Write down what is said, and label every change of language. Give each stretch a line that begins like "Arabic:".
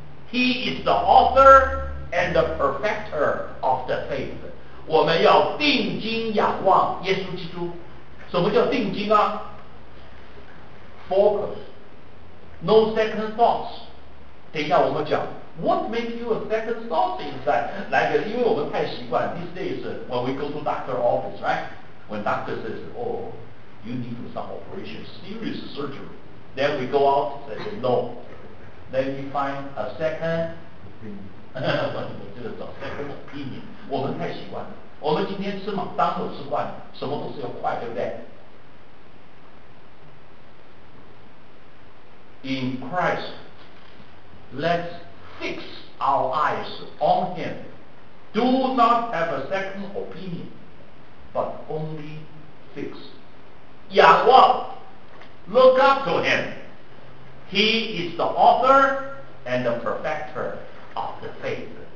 English: He is the author and the perfecter of the faith.
Chinese: 我们要定睛仰望耶稣基督。什么叫定睛啊?
English: Focus.
Chinese: No second thoughts. 等一下我们讲,
English: what makes you a second thought inside?
Chinese: 来个,因为我们太习惯,
English: these days, when we go to doctor office, right? When doctor says, oh, you need to some operation, serious surgery. Then we go out, say, no. Then we find a second second opinion.
Chinese: 我们太习惯了。我们今天吃麦当劳吃惯了，什么都是要快，对不对？
English: In Christ, let's fix our eyes on Him. Do not have a second opinion, but only fix. 仰望, look up to Him. He is the author and the perfecter of the faith.